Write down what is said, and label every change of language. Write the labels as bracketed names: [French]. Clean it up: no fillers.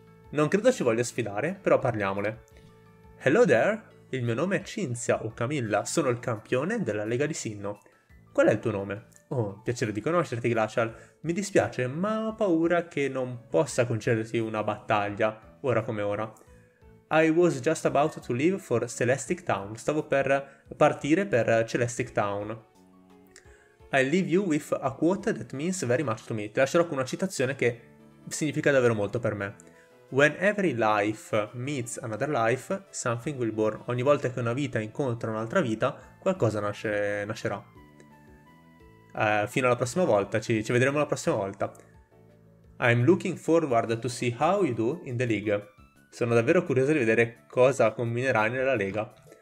[Italian] Non credo ci voglia sfidare, però parliamole. [English] Hello there, [Italian] il mio nome è Cinzia o Camilla, sono il campione della Lega di Sinnoh. Qual è il tuo nome? Oh, piacere di conoscerti, Glacial. Mi dispiace, ma ho paura che non possa concederti una battaglia, ora come ora. [English] I was just about to leave for Celestic Town. [Italian] Stavo per partire per Celestic Town. [English] I leave you with a quote that means very much to me. [Italian] Ti lascerò con una citazione che significa davvero molto per me. [English] When every life meets another life, something will born. [Italian] Ogni volta che una vita incontra un'altra vita, qualcosa nascerà. Fino alla prossima volta, ci vedremo la prossima volta. [English] I'm looking forward to see how you do in the league. [Italian] Sono davvero curioso di vedere cosa combinerai nella Lega.